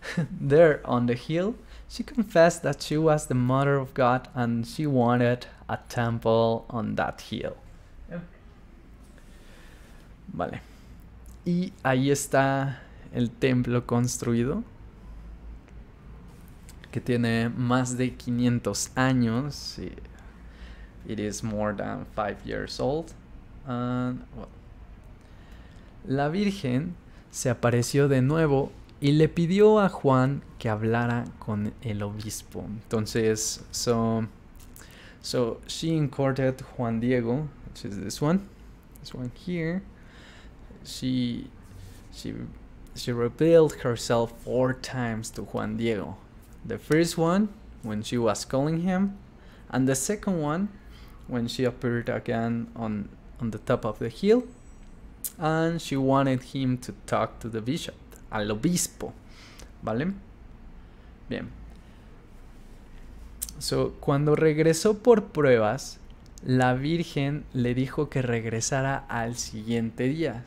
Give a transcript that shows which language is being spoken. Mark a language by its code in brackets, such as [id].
[en] There on the hill, she confessed that she was the mother of God and she wanted a temple on that hill. [es] Vale. Y ahí está el templo construido, que tiene más de 500 años. [en] Y it is more than 5 years old. And, well. [es] La Virgen se apareció de nuevo y le pidió a Juan que hablara con el obispo. Entonces, [en] so she encountered Juan Diego, which is this one here. She revealed herself 4 times to Juan Diego. The first one when she was calling him, and the second one when she appeared again on the top of the hill, and she wanted him to talk to the bishop, [es] al obispo, ¿vale? Bien. So, cuando regresó por pruebas, la Virgen le dijo que regresara al siguiente día.